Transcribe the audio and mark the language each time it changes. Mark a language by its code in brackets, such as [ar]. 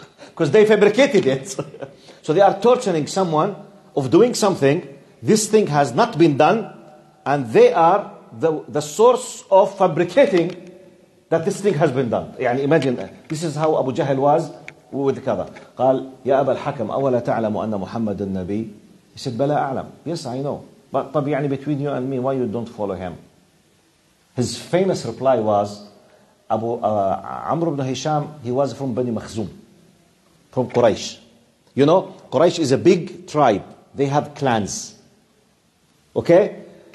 [en] Because they fabricated it. So they are torturing someone of doing something. This thing has not been done. And they are the source of fabricating that this thing has been done. يعني imagine that. This is how Abu Jahl was with the cover. [ar] قال, يا أبا الحكم, أولا تعلم أن محمد النبي? [en] He said, بلا أعلم. Yes, I know. But طب يعني between you and me, why you don't follow him? His famous reply was, عمر بن هشام, he was from Bani Makhzum. From Quraysh. You know, Quraysh is a big tribe. They have clans. Okay?